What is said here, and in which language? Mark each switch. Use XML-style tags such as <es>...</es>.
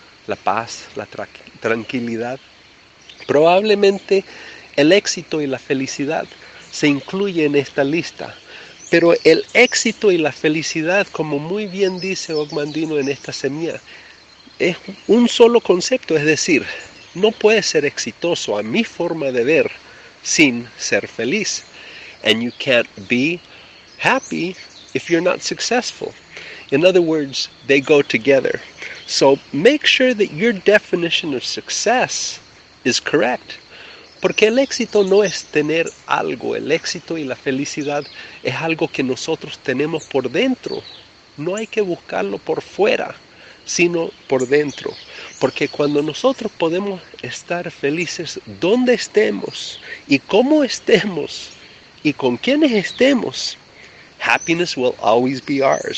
<es>La paz, la tranquilidad. Probablemente el éxito y la felicidad se incluyen en esta lista. Pero el éxito y la felicidad, como muy bien dice Ogmandino en esta semilla, es un solo concepto, es decir, no puede ser exitoso a mi forma de ver sin ser feliz.</es> <en>And you can't be happy if you're not successful. In other words, they go together. So make sure that your definition of success is correct.</en> <es>Porque el éxito no es tener algo. El éxito y la felicidad es algo que nosotros tenemos por dentro. No hay que buscarlo por fuera, sino por dentro. Porque cuando nosotros podemos estar felices donde estemos, y cómo estemos, y con quienes estemos,</es> <en>happiness will always be ours.</en>